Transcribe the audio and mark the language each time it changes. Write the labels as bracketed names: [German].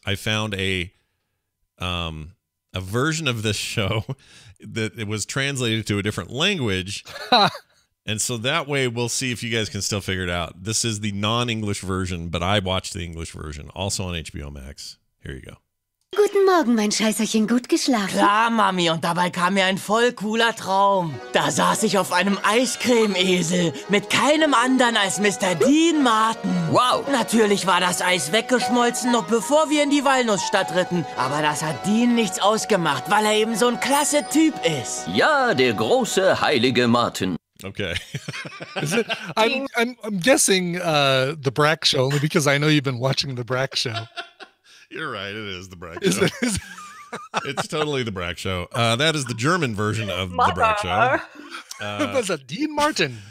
[English] I found a version of this show that it was translated to a different language. And so that way we'll see if you guys can still figure it out. This is the non-English version, but I watched the English version also on HBO Max. Here you go. [German] Guten Morgen, mein Scheißerchen, gut geschlafen? Klar, Mami, und dabei kam mir ein voll cooler Traum. Da saß ich auf einem Eiscreme-Esel mit keinem anderen als Mr. Dean Martin. Wow. Natürlich war das Eis weggeschmolzen, noch bevor wir in die Walnussstadt ritten. Aber das hat Dean nichts ausgemacht, weil er eben so ein klasse Typ ist. Ja, der große heilige Martin. [English] Okay. I'm guessing the Brack Show, only because I know you've been watching the Brack Show. You're right. It is the Brack Show. It's totally the Brack Show. That is the German version of the Brack Show. It was a Dean Martin.